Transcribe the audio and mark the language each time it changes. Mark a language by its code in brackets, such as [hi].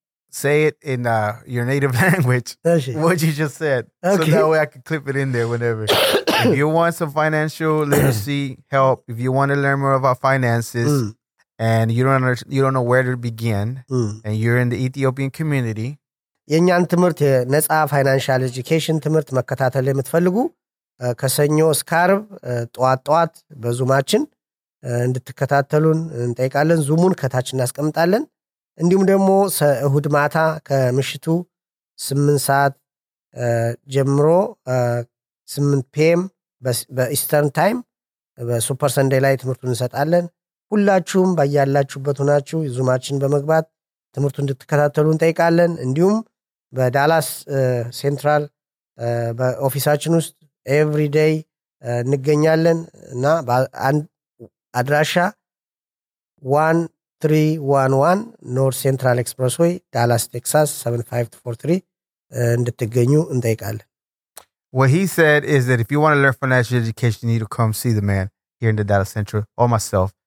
[en] Say it in your native language, what you just said. Okay. So that way I can clip it in there whenever. If you want some financial literacy help, if you want to learn more about finances, and you don't know where to begin, and you're in the Ethiopian community. [am] የኛን ትምርት ነጻ ፋይናንሻል ኤጁኬሽን ትምርት መከታተል ለምትፈልጉ ከሰኞ ስካርብ ጧት ጧት በዙማችን እንድትከታተሉን እንጠይቃለን። ዙሙን ከታች እናስቀምጣለን። እንዲሁም ደግሞ እሁድ ማታ ከምሽቱ 8 ሰዓት ጀምሮ 8 pm በኢስተርን ታይም በሱፐር ሰንዴ ላይ ትምርቱን እንሰጣለን። ሁላችሁም ባያላችሁበት ሆናችሁ ዙማችን በመግባት ትምርቱን እንድትከታተሉ እንጠይቃለን። እንዲሁም በዳላስ ሴንትራል በኦፊሳችን ውስጥ ኤቭሪ ዴይ እንገኛለን እና አድራሻ 1311 ኖርት ሴንትራል ኤክስፕረስ ዌይ ዳላስ ቴክሳስ 75243 እንድትገኙ እንጠይቃለን። [en] What he said is that if you want to learn financial education, you need to come see the man here in the Dallas Central or myself.